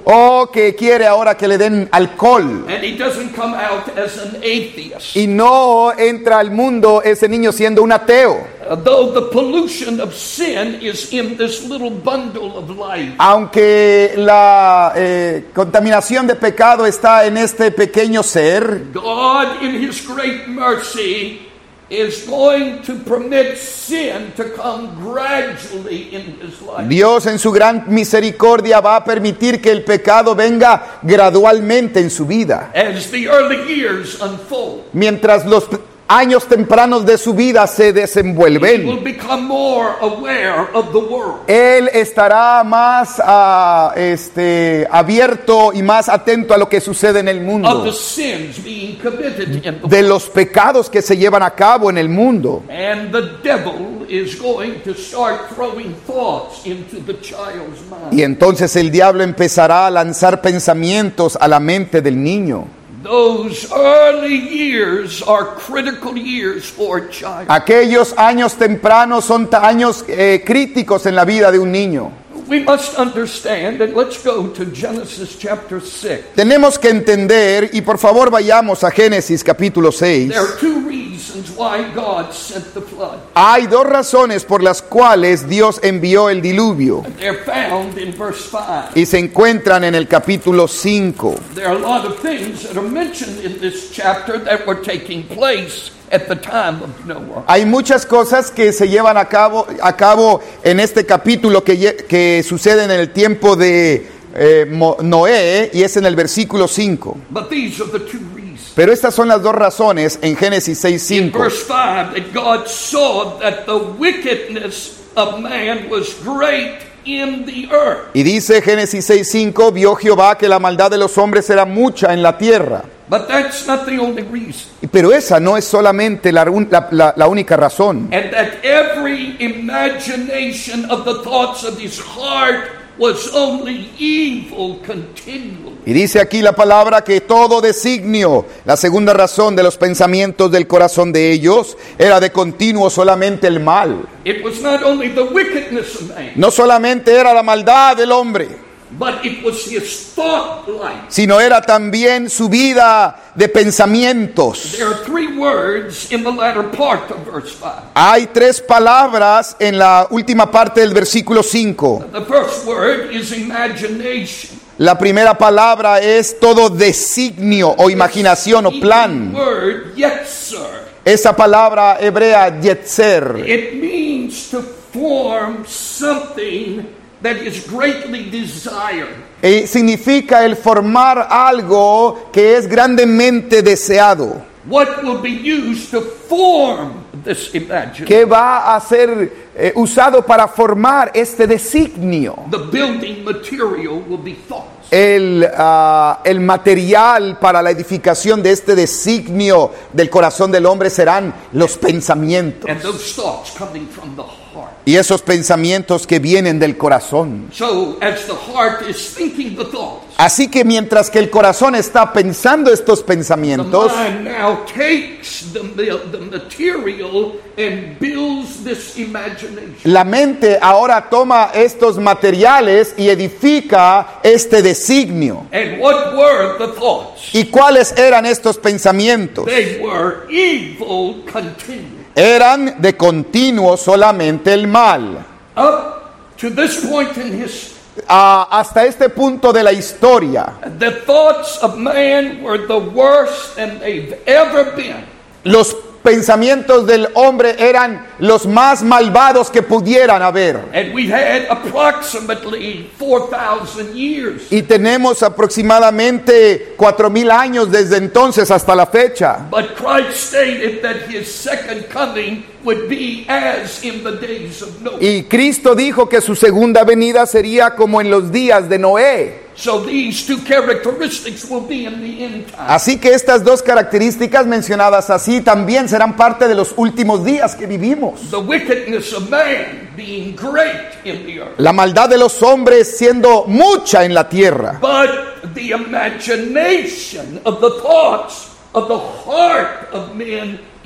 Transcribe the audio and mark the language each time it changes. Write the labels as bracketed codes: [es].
[es] O que quiere ahora que le den alcohol. [en] And he doesn't come out as an atheist. [es] Y no entra al mundo ese niño siendo un ateo. [en] Though the pollution of sin is in this little bundle of life. [es] Aunque la contaminación de pecado está en este pequeño ser. [en] God in his great mercy is going to permit sin to come gradually in his life. [es] Dios en su gran misericordia va a permitir que el pecado venga gradualmente en su vida. [en] As the early years unfold. [es] Mientras los años tempranos de su vida se desenvuelven. [en] He will become more aware of the world. [es] Él estará más abierto y más atento a lo que sucede en el mundo. [en] Of the sins being committed in the world. [es] De los pecados que se llevan a cabo en el mundo. [en] And the devil is going to start throwing thoughts into the child's mind. [es] Y entonces el diablo empezará a lanzar pensamientos a la mente del niño. [en] Those early years are critical years for a child. [es] Aquellos años tempranos son años críticos en la vida de un niño. [en] We must understand, and let's go to Genesis chapter 6. [es] Tenemos que entender, y por favor vayamos a Génesis capítulo 6. [en] There are two reasons why God sent the flood. [es] Hay dos razones por las cuales Dios envió el diluvio. [en] They're found in verse 5. [es] Y se encuentran en el capítulo 5. [en] There are a lot of things that are mentioned in this chapter that were taking place at the time of Noah. [es] Hay muchas cosas que se llevan a cabo en este capítulo que suceden en el tiempo de Noé, y es en el versículo 5. [en] But these are the two reasons. [es] Pero estas son las dos razones en Génesis 6:5. [en] In verse 5, that God saw that the wickedness of man was great in the earth. [es] Y dice Génesis 6:5, vio Jehová que la maldad de los hombres era mucha en la tierra. [en] But that's not the only reason. [es] Pero esa no es solamente la única razón. [en] And that every imagination of the thoughts of his heart was only evil continually. [es] Y dice aquí la palabra que todo designio, la segunda razón de los pensamientos del corazón de ellos, era de continuo solamente el mal. [en] It was not only the wickedness of man. [es] No solamente era la maldad del hombre. [en] But it was his thought life. [es] Sino era también su vida de pensamientos. [en] There are three words in the latter part of verse 5. [es] Hay tres palabras en la última parte del versículo 5. [en] The first word is imagination. [es] La primera palabra es todo designio o imaginación o plan. [en] Word, yetzer. [es] Esa palabra hebrea yetzer. [en] It means to form something that is greatly desired. [es] Significa el formar algo que es grandemente deseado. [en] What will be used to form this imagination? [es] ¿Qué va a ser usado para formar este designio? [en] The building material will be thoughts. [es] El material para la edificación de este designio del corazón del hombre serán los pensamientos. [en] And those thoughts coming from the heart. [es] Y esos pensamientos que vienen del corazón. [en] So, as the heart is thinking the thoughts, [es] así que mientras que el corazón está pensando estos pensamientos, [en] the mind now takes the material and builds this imagination. [es] La mente ahora toma estos materiales y edifica este designio. [en] And what were the thoughts? [es] ¿Y cuáles eran estos pensamientos? [en] They were evil continually. [es] Eran de continuo solamente el mal. [en] Up to this point in his, [es] hasta este punto de la historia, [en] the thoughts of man were the worst than they've ever been. [es] Los pensamientos del hombre eran los más malvados que pudieran haber. [en] And we had approximately 4,000 years. [es] Y tenemos aproximadamente 4,000 años desde entonces hasta la fecha. [en] But Christ stated that his second coming would be as in the days of Noah. [es] Y Cristo dijo que su segunda venida sería como en los días de Noé. [en] So these two characteristics will be in the end time. [es] Así que estas dos características mencionadas así también serán parte de los últimos días que vivimos. [en] The wickedness of man being great in the earth. [es] La maldad de los hombres siendo mucha en la tierra. [en] But the imagination of the thoughts of the heart of men